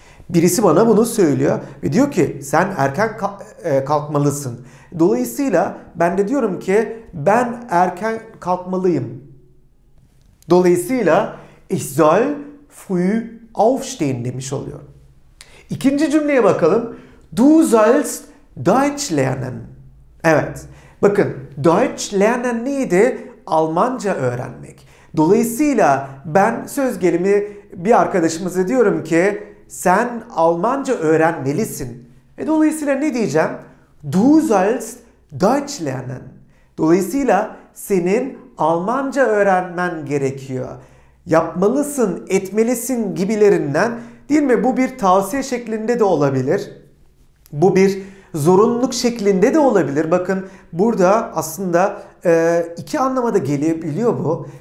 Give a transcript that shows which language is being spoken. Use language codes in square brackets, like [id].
[tr] Birisi bana bunu söylüyor ve diyor ki sen erken kalkmalısın. Dolayısıyla ben de diyorum ki ben erken kalkmalıyım. Dolayısıyla [de] ich soll früh aufstehen [tr] demiş oluyorum. İkinci cümleye bakalım. [de] Du sollst Deutsch lernen. [tr] Evet. Bakın [de] Deutsch lernen [tr] neydi? Almanca öğrenmek. Dolayısıyla ben söz gelimi bir arkadaşımıza diyorum ki sen Almanca öğrenmelisin. Ve dolayısıyla ne diyeceğim? [de] Du sollst Deutsch lernen. [tr] Dolayısıyla senin Almanca öğrenmen gerekiyor. Yapmalısın, etmelisin gibilerinden, değil mi? Bu bir tavsiye şeklinde de olabilir. Bu bir zorunluluk şeklinde de olabilir. Bakın burada aslında iki anlama da gelebiliyor bu.